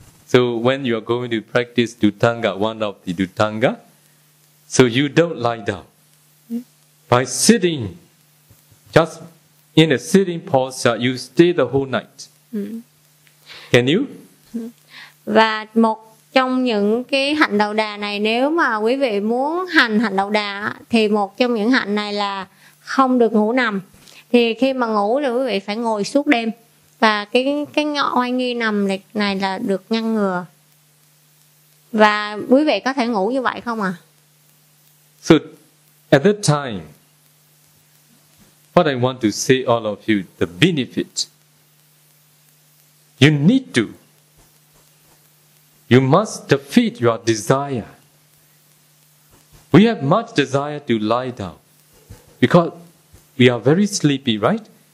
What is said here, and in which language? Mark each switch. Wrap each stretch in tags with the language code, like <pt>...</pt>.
<en>So when you are going to practice Duttanga, one of the Duttanga, so you don't lie down. By sitting, just in a sitting posture, you stay the whole night. Can you?</en> <vi>Và một trong những cái hạnh đầu đà này, nếu mà quý vị muốn hành hạnh đầu đà thì một trong những hạnh này là không được ngủ nằm. Thì khi mà ngủ thì quý vị phải ngồi suốt đêm. Và cái oai nghi nằm này là được ngăn ngừa. Và quý vị có thể ngủ như vậy không ạ?</vi> <en>So at that time, what I want to say all of you, the benefit, you need to, you must defeat your desire. We have much desire to lie down because we are very sleepy, right?</en>